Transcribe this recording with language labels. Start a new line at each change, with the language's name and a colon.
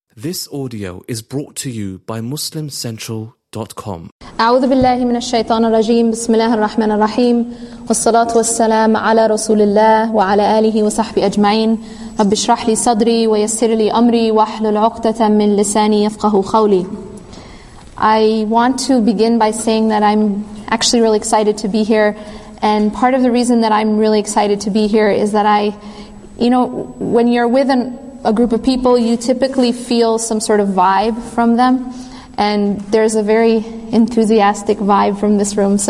English: This audio is brought to you by MuslimCentral.com.
Arabic: أعوذ بالله من الشيطان الرجيم. بسم الله الرحمن الرحيم. والصلاة والسلام على رسول الله وعلى آله وصحبه أجمعين. رب اشرح لي صدري ويسر لي أمري واحلل عقدة من لساني يفقه قولي.
English: I want to begin by saying that I'm actually really excited to be here. And part of the reason that I'm really excited to be here is that I, you know, when you're with a group of people, you typically feel some sort of vibe from them. And there's a very enthusiastic vibe from this room.